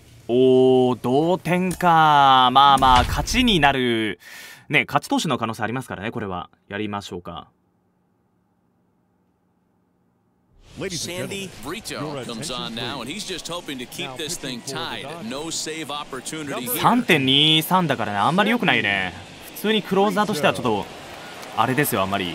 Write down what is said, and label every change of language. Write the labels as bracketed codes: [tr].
[ja] おー、同点か。まあまあ勝ちになるね、勝ち投手の可能性ありますからね。これはやりましょうか。 [en] Sandy Brito comes on now, and he's just hoping to keep this thing tied. No save opportunity [ja] 3.23 だからね、あんまり良くないね。普通にクローザーとしてはちょっとあれですよ、あんまり。